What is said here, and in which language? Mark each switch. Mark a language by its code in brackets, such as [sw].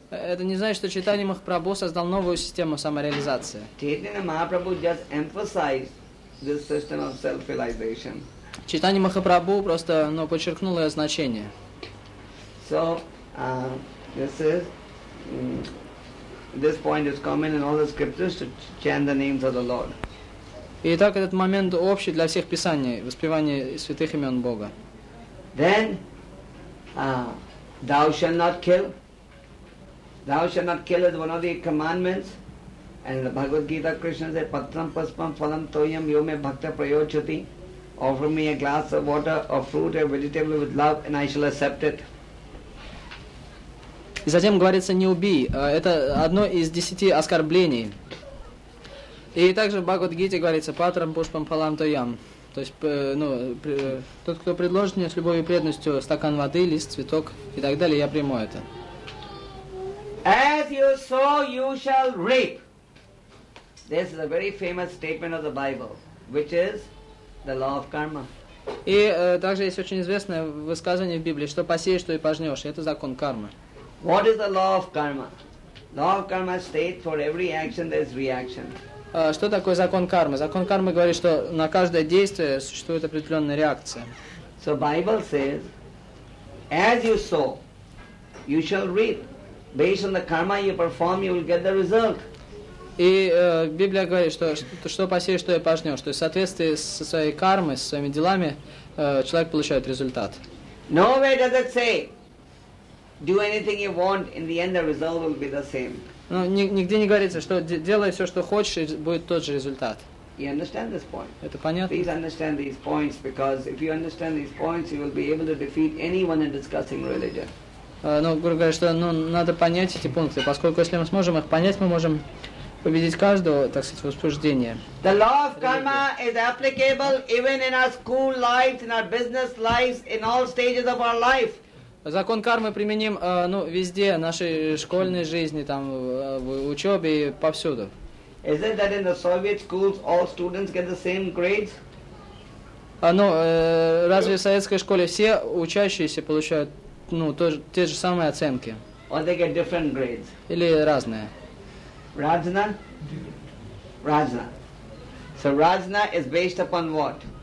[ru] Это не значит, что Чайтанья Махапрабху создал новую систему самореализации. [en] Chaitanya Mahaprabhu just emphasized this system of self-realization. [ru] Чайтанья Махапрабху просто, ну, подчеркнул ее значение. [en] So this point is common in all the scriptures to chant the names of the Lord. [ru] И так этот момент общий для всех писаний, воспевание святых имен Бога. [en] Then, thou shall not kill. Thou shall not kill is one of the commandments. And in the Bhagavad Gita, Krishna said, [sa] patram paspam phalam toyam yome bhakta prayochati. [en] Offer me a glass of water, or fruit, or vegetable with love, and I shall accept it. [ru] И затем говорится: не убий. Это одно из десяти оскорблений. И также в Бхагавад-гите говорится: [sa] патрам пушпам палам тоям. [ru] То есть, ну, тот, кто предложит мне с любовью и преданностью стакан воды, лист, цветок и так далее, я приму это. [en] As you sow, you shall reap. This is a very famous statement of the Bible, which is the law of karma. [ru] И также есть очень известное высказывание в Библии: что посеешь, то и пожнешь. Это закон кармы. [en] What is the law of karma? Law of karma states for every action there is reaction. [ru] Что такое закон кармы? Закон кармы говорит, что на каждое действие существует определенная реакция. [en] So Bible says, as you sow, you shall reap. Based on the karma you perform, you will get the result. [ru] И Библия говорит, что посеешь, то и пожнешь. То есть в соответствии со своей кармой, со своими делами, человек получает результат. [en] Nowhere does it say, do anything you want, in the end the result will be the same. [ru] Ну, нигде не говорится, что делай все, что хочешь, и будет тот же результат. [en] You understand this point? [ru] Это понятно? [en] Please understand these points, because if you understand these points, you will be able to defeat anyone in discussing religion. [ru] Ну, грубо говоря, что надо понять эти пункты, поскольку если мы сможем их понять, мы можем победить каждого, так сказать, возбуждение. [en] The law of karma is applicable even in our school lives, in our business lives, in all stages of our life. [ru] Закон кармы применим, ну, везде, нашей школьной жизни, там, в учебе, повсюду. [en] Is it that in the Soviet schools all students get the same grades? [ru] Разве в советской школе все учащиеся получают, ну, те же самые оценки? [en] Or they get different grades? [ru] Или разные? [en] Rajna? Rajna. So Rajna is based upon what?